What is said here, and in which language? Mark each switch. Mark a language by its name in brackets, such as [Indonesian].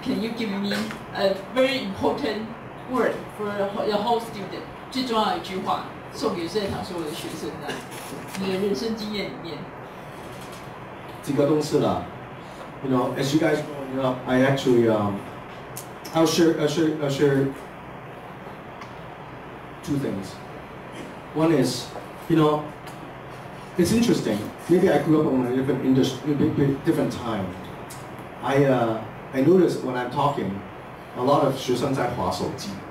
[English] Can you give me a very important word for the whole student? [Chinese] 最重要的一句话送给在场所有的学生的，你的人生经验里面。几个东西啦 [English] ，you know, as you guys know, you know, I actually I'll share two things. One is, you know, it's interesting. Maybe I grew up in a different industry, different time. I noticed when I'm talking, a lot of [Chinese] 学生在滑手机.